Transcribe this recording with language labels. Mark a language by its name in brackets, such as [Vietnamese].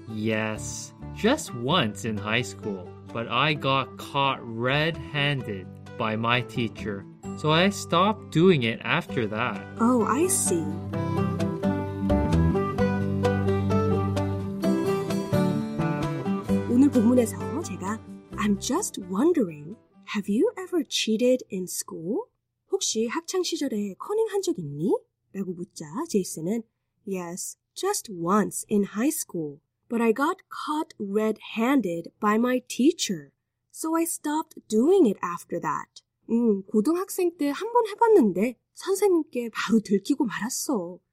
[English] Yes, just once in high school, but I got caught red-handed by my teacher, so I stopped doing it after that. Oh, I see. I'm just wondering, have you ever cheated in school? [Korean] 혹시 학창 시절에 커닝한 적 있니? 라고 묻자 제이슨은 [English] Yes, just once in high school. But I got caught red-handed by my teacher. So I stopped doing it after that. [Korean] 고등학생 때 한번 해봤는데 선생님께 바로 들키고 말았어.